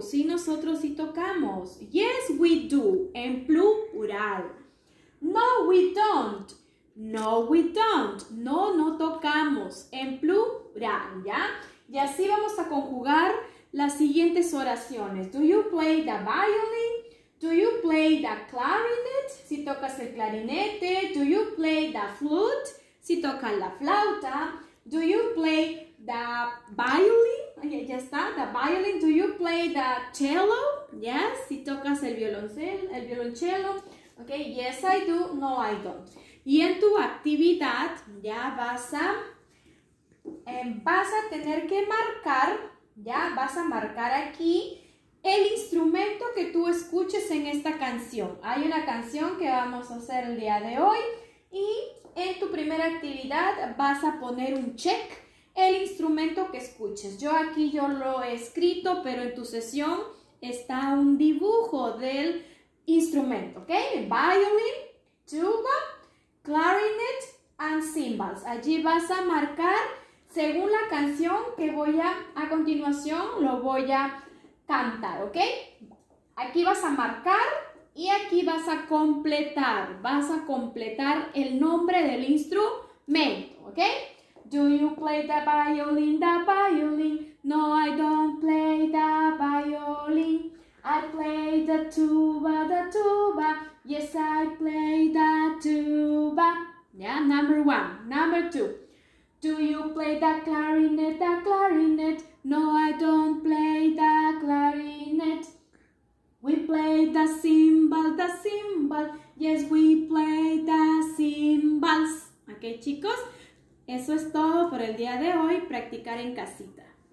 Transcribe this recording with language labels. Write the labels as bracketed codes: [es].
[es] Sí, nosotros sí tocamos. [en] Yes, we do. [es] En plural. [en] No, we don't. No, we don't. [es] No, no tocamos. En plural, ¿ya? Y así vamos a conjugar las siguientes oraciones. [en] Do you play the violin? Do you play the clarinet? [es] Si tocas el clarinete. [en] Do you play the flute? [es] Si tocas la flauta. [en] Do you play the violin? Okay, [es] ya está, [en] the violin. Do you play the cello? Yes, [es] si tocas el violonchelo. [en] Ok, yes I do, no I don't. [es] Y en tu actividad ya vas a tener que marcar, ya vas a marcar aquí el instrumento que tú escuches en esta canción. Hay una canción que vamos a hacer el día de hoy y en tu primera actividad vas a poner un check, el instrumento que escuches. Yo aquí yo lo he escrito, pero en tu sesión está un dibujo del instrumento, ¿ok? [en] Violin, tuba, clarinet and cymbals. [es] Allí vas a marcar según la canción que a continuación lo voy a cantar, ¿ok? Aquí vas a marcar Y aquí vas a completar el nombre del instrumento, ¿ok? [en] Do you play the violin, the violin? No, I don't play the violin. I play the tuba, the tuba. Yes, I play the tuba. Yeah, number one. Number two. Do you play the clarinet, the clarinet? No, I don't play the clarinet. We play the cymbal, the cymbal. Yes, we play the cymbals. [es] Okay, chicos, eso es todo por el día de hoy, practicar en casita.